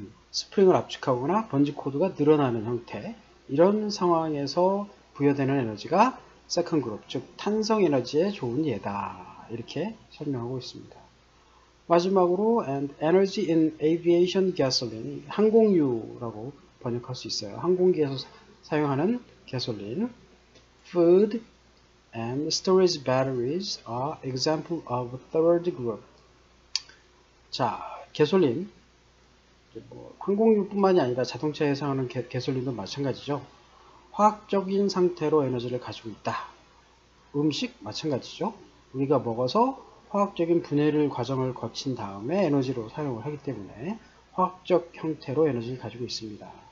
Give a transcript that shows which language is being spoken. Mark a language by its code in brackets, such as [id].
[ko] 스프링을 압축하거나 번지 코드가 늘어나는 형태, 이런 상황에서 부여되는 에너지가 세컨드 그룹, 즉 탄성 에너지의 좋은 예다. 이렇게 설명하고 있습니다. 마지막으로 [en] and energy in aviation gasoline, [ko] 항공유라고 번역할 수 있어요. 항공기에서 사용하는 가솔린. [en] Food and storage batteries are example of third group. [ko] 자, 가솔린. 뭐 항공유뿐만이 아니라 자동차에 사용하는 가솔린도 마찬가지죠. 화학적인 상태로 에너지를 가지고 있다. 음식 마찬가지죠. 우리가 먹어서 화학적인 분해를 과정을 거친 다음에 에너지로 사용을 하기 때문에 화학적 형태로 에너지를 가지고 있습니다.